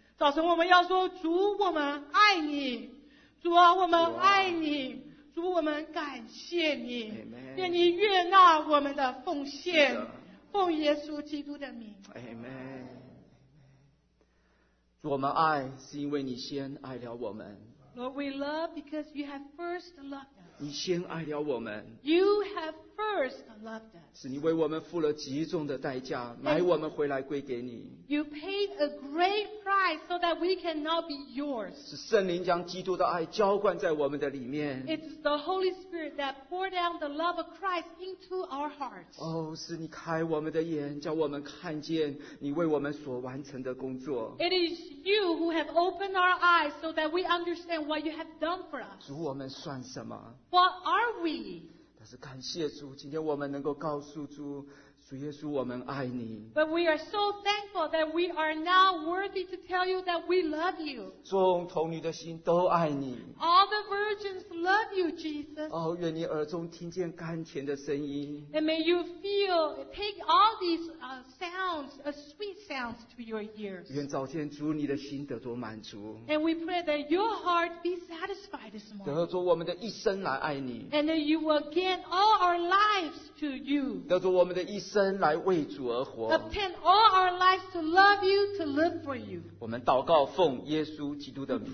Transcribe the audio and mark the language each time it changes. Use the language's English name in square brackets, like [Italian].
[Chinese] 早晨我们要说，主，我们爱你，主啊，我们爱你，主，我们感谢你，愿你悦纳我们的奉献，奉耶稣基督的名。 [English] Amen。 [Chinese] 主，我们爱是因为你先爱了我们。 [English] Lord, we love because you have first loved us. [Chinese] 你先爱了我们。 [English] You have first loved us. [Chinese] 是你为我们付了极重的代价，买我们回来归给你。 [English] You paid a great price so that we can now be yours. [Chinese] 是圣灵将基督的爱浇灌在我们的里面。 [English] It's the Holy Spirit that poured down the love of Christ into our hearts. [Chinese] 哦，是你开我们的眼，叫我们看见你为我们所完成的工作。 [English] It is you who have opened our eyes so that we understand what you have done for us. [Chinese] 主，我们算什么？ [English] What are we? [Chinese] 但是感谢主，今天我们能够告诉主，主耶稣，我们爱你。 [English] But we are so thankful that we are now worthy to tell you that we love you. [Chinese] 众童女的心都爱你。 [English] All the virgins love you, Jesus. [Chinese] 哦，愿你耳中听见甘甜的声音。 [English] And may you feel, take all these sounds, sweet sounds to your ears. [Chinese] 愿早先主你的心得多满足。 [English] And we pray that your heart be satisfied this morning. [Chinese] 得着我们的一生来爱你。 [English] And that you will give all our lives to you. [Chinese] 得着我们的一生来为主而活。 [English] Obtain all our lives to love you, to live for you. [Chinese] 我们祷告奉耶稣基督的名。